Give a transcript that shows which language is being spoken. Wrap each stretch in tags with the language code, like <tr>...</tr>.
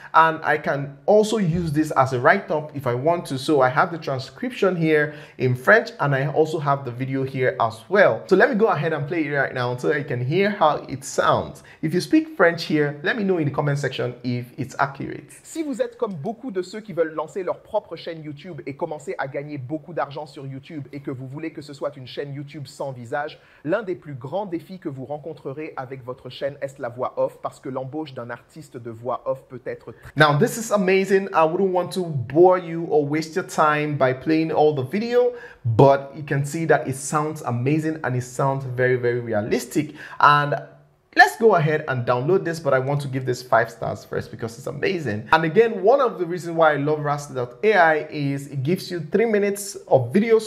<en>And I can also use this as a write-up if I want to. So I have the transcription here in French and I also have the video here as well. So let me go ahead and play it right now so I can hear how it sounds. If you speak French here, let me know in the comment section if it's accurate.</en> <fr>Si vous êtes comme beaucoup de ceux qui veulent lancer leur propre chaîne YouTube et commencer à gagner beaucoup d'argent sur YouTube et que vous voulez que ce soit une chaîne YouTube sans visage, l'un des plus grands défis que vous rencontrerez avec votre chaîne est la voix off parce que l'embauche d'un artiste de voix off peut être très...</fr> <en>Now, this is amazing. I wouldn't want to bore you or waste your time by playing all the video, but you can see that it sounds amazing and it sounds very, very realistic. And let's go ahead and download this, but I want to give this 5 stars first because it's amazing. And again, one of the reasons why I love Rask.ai is it gives you 3 minutes of video.</en>